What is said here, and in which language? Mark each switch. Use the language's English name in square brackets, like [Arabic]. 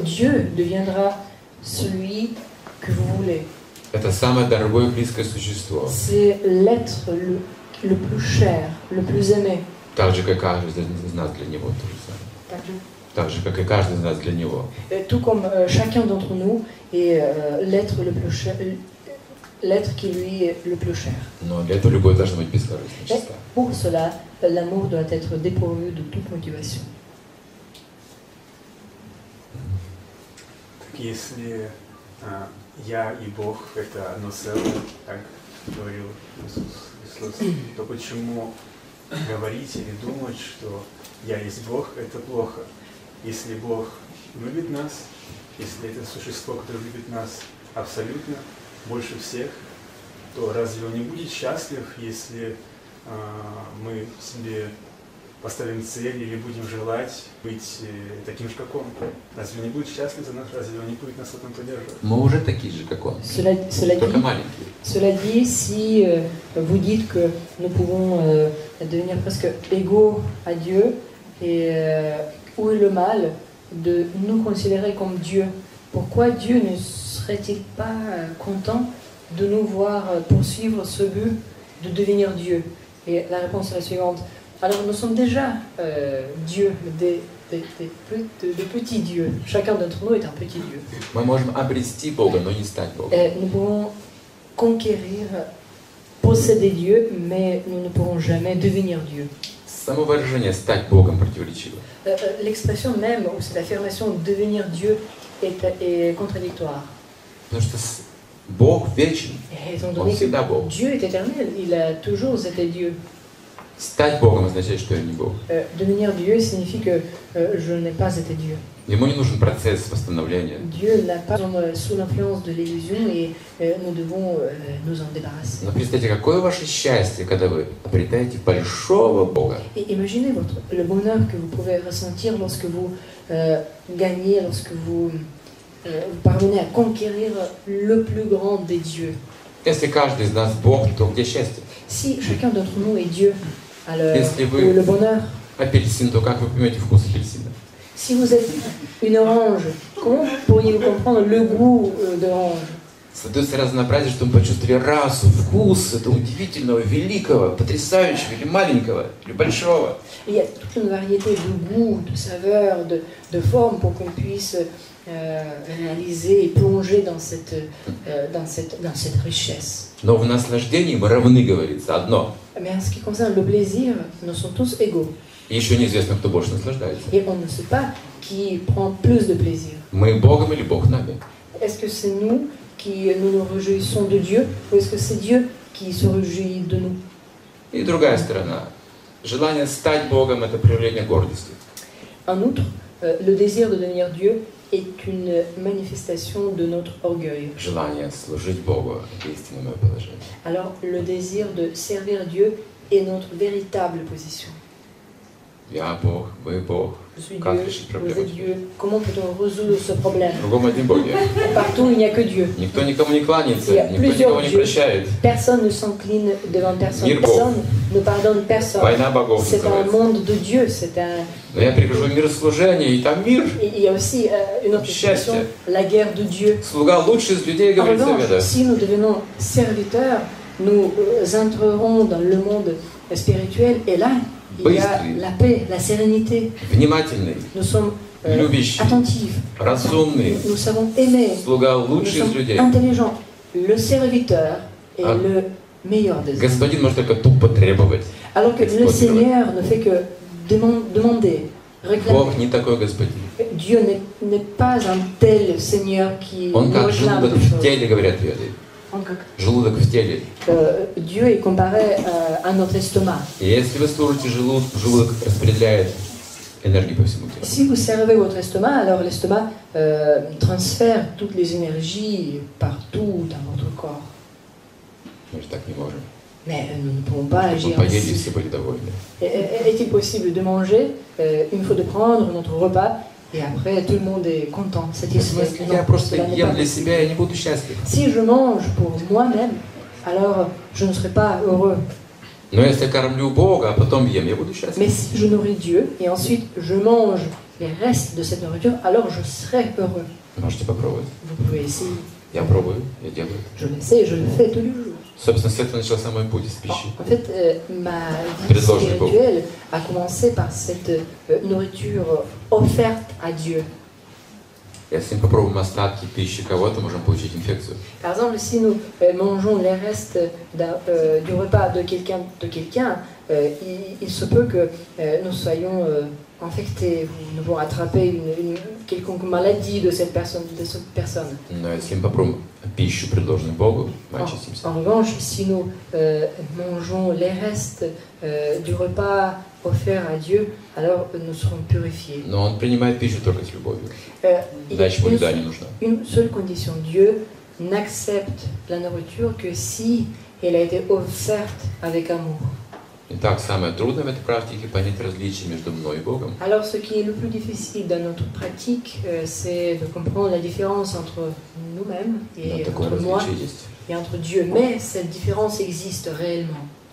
[French] Dieu deviendra celui que vous voulez. [Russian] Это самое дорогое и близкое существо. [French] C'est l'être le plus cher, le plus aimé. [Russian] Так же, как каждый из нас для него тоже самое. Так же, как и каждый из нас для него. [French] Tout comme chacun d'entre nous est l'être le plus cher, l'être qui lui est le plus cher. [Russian] Но для этого любовь должна быть бескорыстной. [French] Pour cela, l'amour doit être dépourvu de toute motivation. [Russian] Так если я и Бог — это одно целое, так говорил Иисус Христос, то почему говорить или думать, что я есть Бог — это плохо? Если Бог любит нас, если это существо, которое любит нас абсолютно, больше всех, то разве он не будет счастлив, если мы себе поставим цель или будем желать быть таким же, как он. Разве он не будет счастлив за нас? Разве он не будет нас в этом поддерживать? Мы уже такие же, как он. Только маленькие. [French] Cela dit, si vous dites que nous pouvons devenir presque égaux à Dieu, et où est le mal de nous considérer comme Dieu? Pourquoi Dieu ne serait-il pas content de nous voir poursuivre ce but de devenir Dieu? Et la réponse est la suivante. Alors nous sommes déjà Dieu, des petits dieux. Chacun d'entre nous est un petit dieu. [Russian] Мы можем обрести Бога, но не стать Богом. [French] Nous pouvons conquérir, posséder Dieu, mais nous ne pourrons jamais devenir Dieu. [Russian] Само выражение «стать Богом» противоречиво. [French] L'expression même, ou cette affirmation «devenir Dieu» est contradictoire. Parce que [Russian] Бог вечен, он всегда Бог. [French] Dieu est éternel, il a toujours été Dieu. [Russian] Стать Богом означает, что я не Бог. [French] Devenir Dieu signifie que je n'ai pas été Dieu. [Russian] Ему не нужен процесс восстановления. [French] Dieu n'a pas sous l'influence de l'illusion et nous devons nous en débarrasser. [Russian] Но представьте, какое ваше счастье, когда вы обретаете большого Бога. [French] Et imaginez le bonheur que vous pouvez ressentir lorsque vous gagnez, lorsque vous parvenez à conquérir le plus grand des dieux. [Russian] Если каждый из нас Бог, то где счастье? [French] Si chacun d'entre nous est Dieu, alors le bonheur. [Russian] Апельсин, то как вы поймете вкус апельсина? [French] Si vous êtes une orange, comment pourriez-vous comprendre le goût d'orange? [Russian] Создается разнообразие, чтобы мы почувствовали расу, вкус этого удивительного, великого, потрясающего или маленького или большого. [French] Il y a toute une variété de goûts, de saveurs, de formes pour qu'on puisse réaliser et plonger dans cette richesse. [Russian] Но в наслаждении мы равны, говорится, одно. [French] Mais en ce qui concerne le plaisir, nous sommes tous égaux. [Russian] И еще неизвестно, кто больше наслаждается. [French] Et on ne sait pas qui prend plus de plaisir. [Russian] Мы Богом или Бог нами? [French] Est-ce que c'est nous qui nous réjouissons de Dieu ou est-ce que c'est Dieu qui se réjouit de nous? [Russian] И другая сторона. Желание стать Богом — это проявление гордости. [French] En outre, le désir de devenir Dieu est une manifestation de notre orgueil. [Russian] Желание служить Богу — истинное мое положение. [French] Alors, le désir de servir Dieu est notre véritable position. [Russian] Я Бог, вы Бог. Как решить проблему? [French] Comment peut-on résoudre ce problème? [Russian] Кругом один Бог. [French] Partout, il n'y a que Dieu. [Russian] Никто никому не кланяется, никто никого не прощает. [French] Personne ne s'incline devant personne. Personne ne pardonne personne. [Russian] Война богов. [French] C'est un monde de Dieu. C'est un. [Russian] Но я прихожу в мир служения, и там мир. [French] Il y a aussi une autre situation. La guerre de Dieu. [Russian] Слуга лучший из людей, говорит Заветов. [French] En revanche, si nous devenons serviteurs, nous entrerons dans le monde spirituel, et là. [Russian] Быстрый, [French] la paix, la sérénité. [Russian] Внимательный, [French] nous sommes, [Russian] любящий, [French] attentif, [Russian] разумный, [French] nous savons aimer, [Russian] слуга лучший из людей, [French] intelligent, le serviteur et le meilleur des hommes. [Russian] Господин может только тупо требовать. [French] Alors que le Seigneur ne fait que demander. [Russian] Бог не такой господин. [French] Dieu n'est pas un tel Seigneur qui [Russian] Он как желудок в теле, говорят веды. Желудок в теле. [French] Dieu est comparé à notre estomac. [Russian] И если вы служите желудку, желудок распределяет энергию по всему телу. [French] Si vous servez votre estomac, alors l'estomac transfère toutes les énergies partout dans votre corps. [Russian] Мы же так не можем. [French] Mais nous ne pouvons pas agir. Est-il possible de manger une fois de prendre notre repas et après tout le monde est content, satisfait? Si je mange pour moi-même, alors je ne serai pas heureux. Mais si je nourris Dieu et ensuite je mange les restes de cette nourriture, alors je serai heureux. Vous pouvez essayer. Je l'essaie, je le fais tous les jours. [Russian] Собственно, с этого начался мой путь из пищи. [French] En fait, ma vie spirituelle a commencé par cette nourriture offerte à Dieu. [Russian] Если мы попробуем остатки пищи кого-то, можем получить инфекцию. [French] Par exemple, si nous mangeons les restes du repas de quelqu'un, il se peut que nous soyons infectés, nous pouvons attraper une quelconque maladie de cette personne. [Russian] Но если мы попробуем пищу, предложенную Богу, мы очистимся. [French] En revanche, si nous mangeons les restes du repas offert à Dieu, alors nous serons purifiés. [Russian] Но Он принимает пищу только с любовью. Дальше ему еда не нужна. [French] Une seule condition. Dieu n'accepte la nourriture que si elle a été offerte avec amour. [Russian] Итак, самое трудное в этой практике – понять различие между мной и Богом. [French] Alors, ce qui est le plus difficile dans notre pratique, c'est de comprendre la différence entre nous-mêmes et entre moi et entre Dieu. Mais cette différence existe réellement.